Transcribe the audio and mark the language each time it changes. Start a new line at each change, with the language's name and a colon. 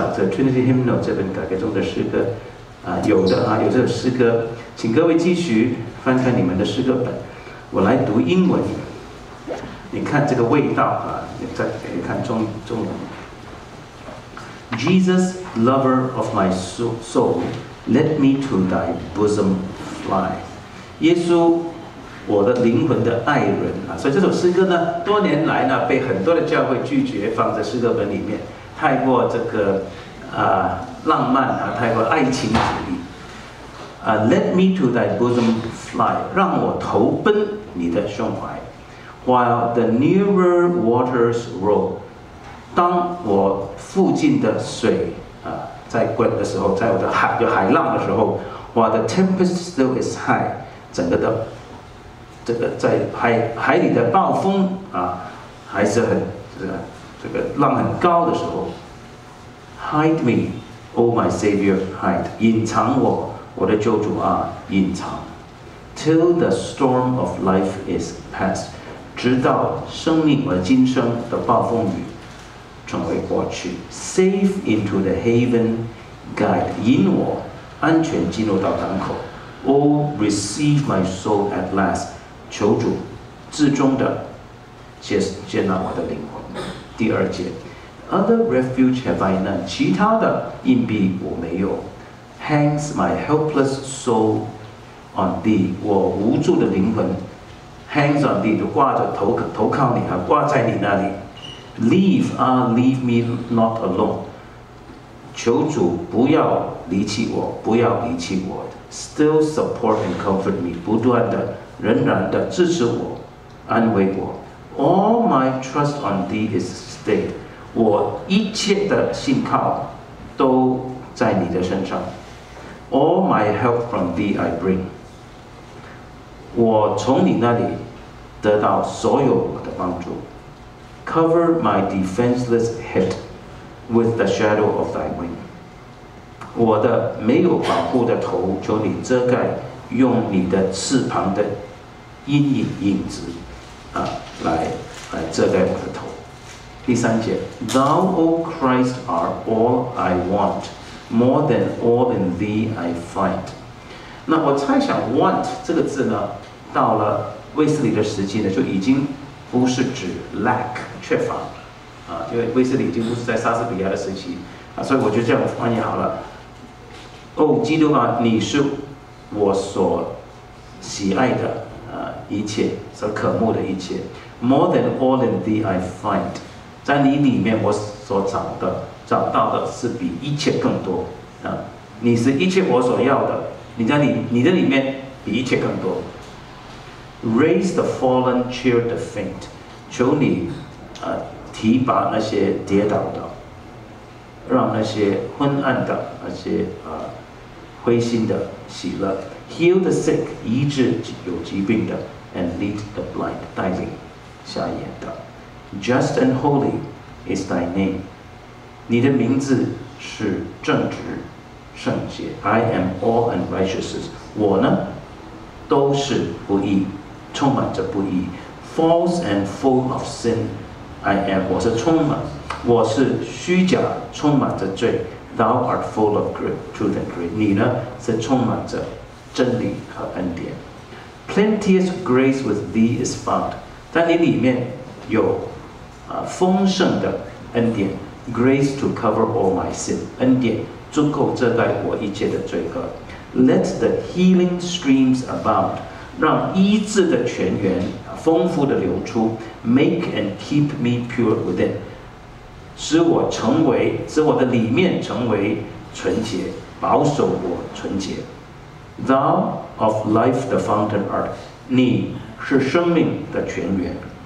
Chinese: Trinity Hymnal 这本改革中的诗歌，有的啊，有这首诗歌，请各位继续翻开你们的诗歌本，我来读英文，你看这个味道啊，你再看中文。
English: Jesus, lover of my soul, let me to thy bosom fly.
Chinese: 耶稣，我的灵魂的爱人啊，所以这首诗歌呢，多年来呢，被很多的教会拒绝放在诗歌本里面，太过这个。浪漫啊，太过爱情主义。
English: Let me to thy bosom fly，
Chinese: 让我投奔你的胸怀。
English: While the nearer waters roll，
Chinese: 当我附近的水在滚的时候，在我的海有海浪的时候 ，
English: While the tempest still is high，
Chinese: 整个的这个在海里的暴风还是很这个浪很高的时候。
English: Hide me, O my Savior, hide.
Chinese: 隐藏我，我的救主啊，隐藏。
English: Till the storm of life is past.
Chinese: 直到生命和今生的暴风雨成为过去。
English: Safe into the haven, guide.
Chinese: 引我安全进入到港口。
English: Oh, receive my soul at last.
Chinese: 求主至终的接纳我的灵魂。第二节。
English: Other refuge have I none，
Chinese: 其他的硬币我没有。
English: Hangs my helpless soul on thee，
Chinese: 我无助的灵魂。
English: Hangs on thee，
Chinese: 就挂着投靠你，挂在你那里。
English: Leave me not alone，
Chinese: 求主不要离弃我，不要离弃我。
English: Still support and comfort me，
Chinese: 不断的仍然的支持我，安慰我。
English: All my trust on thee is stayed。
Chinese: 我一切的信靠都在你的身上。
English: All my help from thee I bring，
Chinese: 我从你那里得到所有的帮助。
English: Cover my defenseless head with the shadow of thy wing，
Chinese: 我的没有保护的头求你遮盖，用你的翅膀的阴影影子来遮盖我的头。第三节，
English: Thou, O Christ, are all I want, more than all in thee I find.
Chinese: 那我猜想 want 这个字呢，到了卫斯理的时期呢，就已经不是指 lack 缺乏因为卫斯理已经不是在莎士比亚的时期所以我就这样翻译好了。哦，基督啊，你是我所喜爱的一切，所渴慕的一切。
English: More than all in thee I find.
Chinese: 在你里面我所找到的是比一切更多你是一切我所要的，你的里面比一切更多。
English: Raise the fallen, cheer the faint，
Chinese: 求你提拔那些跌倒的。让那些昏暗的那些灰心的喜乐。
English: Heal the sick，
Chinese: 医治有疾病的。
English: And lead the blind，
Chinese: 带领瞎眼的。
English: Just and holy is thy name，
Chinese: 你的名字是正直圣洁。
English: I am all unrighteousness，
Chinese: 我呢都是不义，充满着不义。
English: False and full of sin， I am，
Chinese: 我是充满，我是虚假，充满着罪。
English: Thou art full of truth and grace，
Chinese: 你呢是充满着真理和恩典。
English: Plenteous grace with thee is found，
Chinese: 在你里面有丰盛的恩典。
English: Grace to cover all my sin，
Chinese: 恩典足够遮盖我一切的罪恶。
English: Let the healing streams abound，
Chinese: 让医治的泉源丰富的流出。
English: Make and keep me pure within，
Chinese: 使我成为，使我的里面成为纯洁，保守我纯洁。
English: Thou of life the fountain art，
Chinese: 你是生命的泉源。